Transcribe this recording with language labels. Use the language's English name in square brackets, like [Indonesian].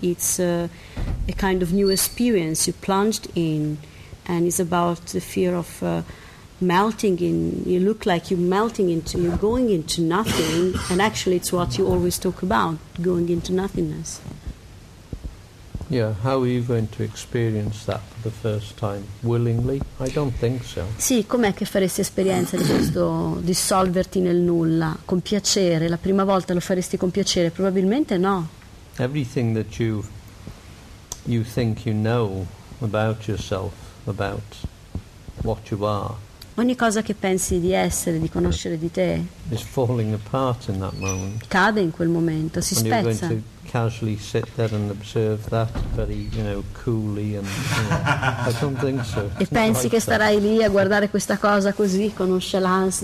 [English] It's a kind of new experience you plunged in, and it's about the fear of melting in. You look like you're melting into, you're going into nothing, and actually it's what you always talk about, going into nothingness. Yeah, how are you going to experience that for the first time? Willingly? I don't think so. [Italian] Sì, com'è che faresti esperienza di questo dissolverti nel nulla? Con piacere? La prima volta lo faresti con piacere? Probabilmente no. [English] Everything that you think you know about yourself, about what you are. [Italian] Ogni cosa che pensi di essere, di conoscere di te, [English] is falling apart in that moment. [Italian] Cade in quel momento, si [English] and [Italian] spezza. [English] You're going to casually sit there and observe that very, you know, coolly, and, you know, I don't think so. E pensi like che that. [Italian] Starai lì a guardare questa cosa così con nonchalance?